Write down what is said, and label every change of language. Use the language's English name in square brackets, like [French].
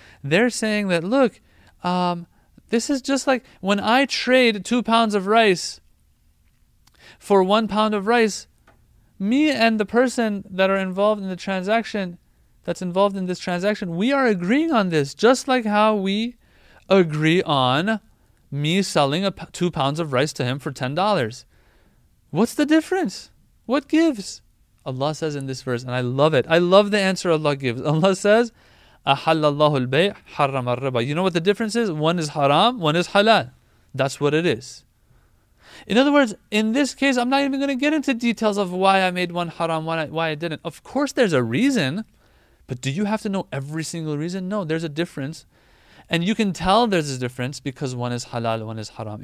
[English] They're saying that, look, this is just like when I trade 2 pounds of rice for 1 pound of rice, me and the person that are involved in the transaction, that's involved in this transaction, we are agreeing on this, just like how we agree on me selling 2 pounds of rice to him for $10. What's the difference? What gives? Allah says in this verse, and I love it. I love the answer Allah gives. [Arabic] Allah says, أَحَلَّ اللَّهُ الْبَيْءَ حَرَّمَ الرِّبَى. [English] You know what the difference is? One is haram, one is halal. That's what it is. In other words, in this case, I'm not even going to get into details of why I made one haram, why I didn't. Of course, there's a reason, but do you have to know every single reason? No, there's a difference. And you can tell there's a difference because one is halal, one is haram.